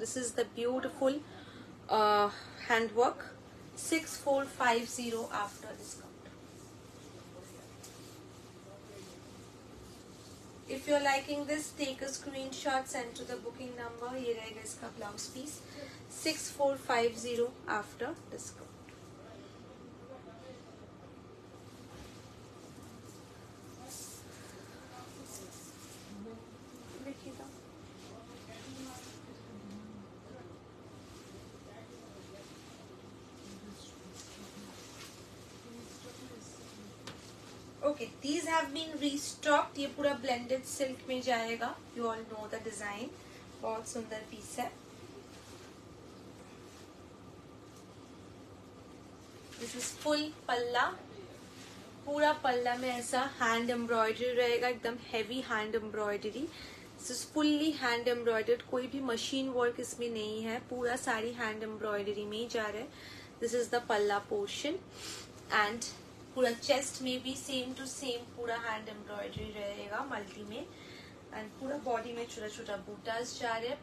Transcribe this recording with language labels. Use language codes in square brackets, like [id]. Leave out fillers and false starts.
[en] This is the beautiful handwork. $6450 after discount. If you're liking this, take a screenshot, send to the booking number. [hi] ये रहेगा इसका blouse piece [en] 6450 after discount. Okay, these have been restocked. [hi] ये पूरा blended silk में जाएगा. [en] You all know the design. [hi] बहुत सुंदर piece है. [en] This is full palla. [hi] पूरा palla में ऐसा hand embroidery रहेगा. एकदम heavy hand embroidery. [en] This is fully hand embroidered. [hi] कोई भी machine work इसमें नहीं है. पूरा साड़ी hand embroidery में ही जा रहा है. [en] This is the palla portion [hi] and पूरा चेस्ट में भी सेम टू सेम पूरा हैंड एम्ब्रॉयडरी रहेगा मल्टी में एंड पूरा बॉडी में छोटा छोटा बूटास जा रहे हैं.